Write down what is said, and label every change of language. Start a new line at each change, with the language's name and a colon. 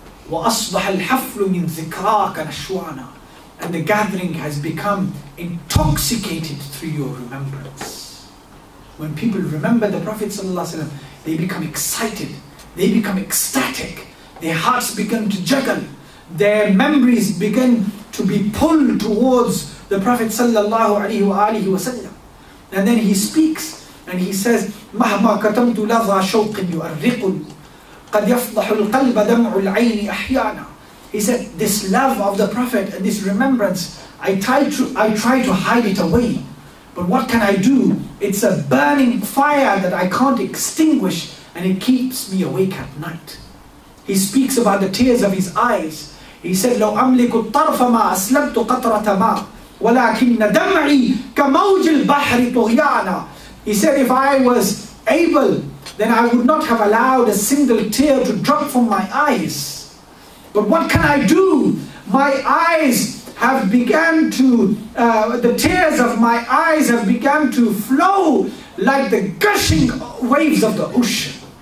Arabic: وأصبح الحفل من ذكراك نشوانا.
English: And the gathering has become intoxicated through your remembrance. When people remember the Prophet ﷺ, they become excited, they become ecstatic, their hearts begin to juggle, their memories begin to be pulled towards the Prophet ﷺ. And then he speaks and he says,
Arabic: مَهْمَا كَتَمْتُ لَظَى شَوْقٍ يُؤَرِّقٌ قَدْ يَفْضَحُ الْقَلْبَ دَمْعُ الْعَيْنِ أَحْيَانًا.
English: He said, this love of the Prophet and this remembrance, I try to hide it away. But what can I do? It's a burning fire that I can't extinguish, and it keeps me awake at night. He speaks about the tears of his eyes. He said,
Arabic: لَوْ أَمْلِكُ الطَّرْفَ مَا أَسْلَبْتُ قَطْرَةَ مَا وَلَكِنَّ دَمْعِي كَمَوْجِ الْبَحْرِ طُغْيَانًا.
English: He said, if I was able, then I would not have allowed a single tear to drop from my eyes. But what can I do? My eyes have begun to, the tears of my eyes have begun to flow like the gushing waves of the ocean.